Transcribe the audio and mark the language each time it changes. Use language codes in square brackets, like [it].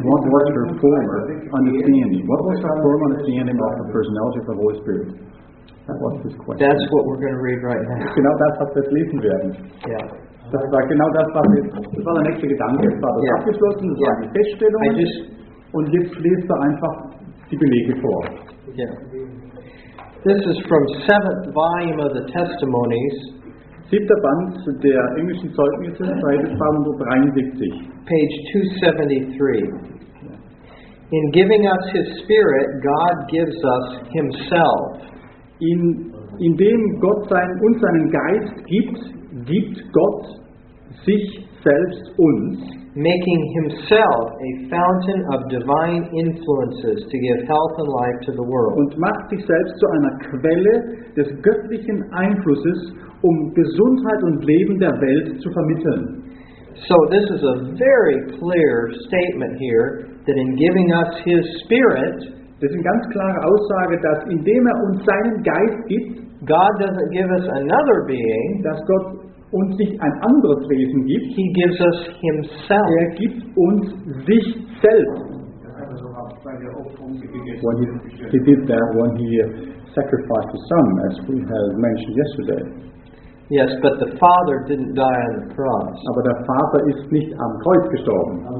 [en] What was her former understanding of the personality of the Holy Spirit? That was his question. That's what we're going to read right now. [de] Genau das, was wir lesen werden. [en] Yeah. [de] Das war genau das, was das war der nächste Gedanke. Das war das abgeschlossen, das war die Feststellung. Und jetzt lest du einfach die Belege vor. [en] Yeah. This is from 7th volume of the Testimonies, [de] Siebter Band der englischen Zeugnisse, Seite 273. [en] Page 273. In giving us his spirit, God gives us himself. [de] Indem Gott uns seinen Geist gibt, gibt Gott sich selbst uns. [en] Making himself a fountain of divine influences to give health and life to the world. [de] Und macht sich selbst zu einer Quelle des göttlichen Einflusses, um Gesundheit und Leben der Welt zu vermitteln. [en] So this is a very clear statement here that in giving us his spirit, [de] das ist eine ganz klare Aussage, dass indem uns seinen Geist gibt, [en] God doesn't give us another being, [de] dass Gott uns nicht ein anderes Wesen gibt, [en] he gives us himself. [de] Er gibt uns sich selbst. [en] When he did that when he sacrificed his son, as we have mentioned yesterday. Yes, but the Father didn't die on the cross. [de] Aber der Vater ist nicht am Kreuz gestorben.